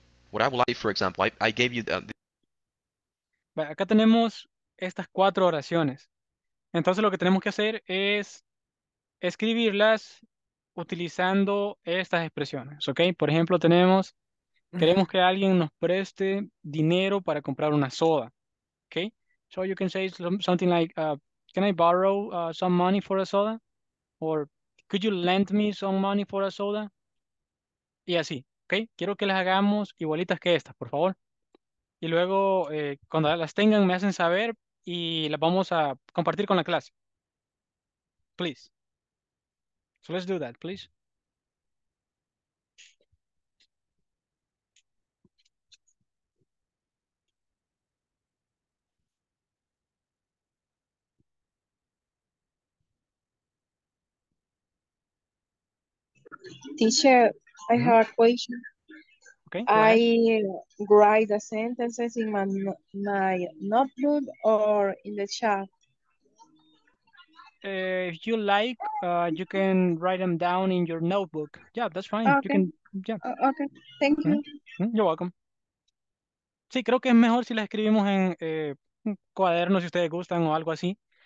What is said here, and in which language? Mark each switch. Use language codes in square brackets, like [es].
[en] What I would like, for example, I gave you the... [es] Bueno, acá tenemos estas cuatro oraciones. Entonces lo que tenemos que hacer es escribirlas utilizando estas expresiones, ¿okay? Por ejemplo, tenemos... Queremos que alguien nos preste dinero para comprar una soda, ¿ok? [en] So you can say something like, can I borrow some money for a soda? Or could you lend me some money for a soda? [es] Y así, ¿ok? Quiero que las hagamos igualitas que estas, por favor. Y luego, cuando las tengan, me hacen saber y las vamos a compartir con la clase. [en] Please. So let's do that, please. Teacher, I have a question. Okay, go ahead. I write the sentences in my notebook or in the chat. If you like, you can write them down in your notebook. Yeah, that's fine. Okay. You can. Yeah. Okay. Thank you. Mm-hmm. You're welcome. [es] Sí, creo que es mejor si la escribimos en cuaderno si ustedes gustan o algo así.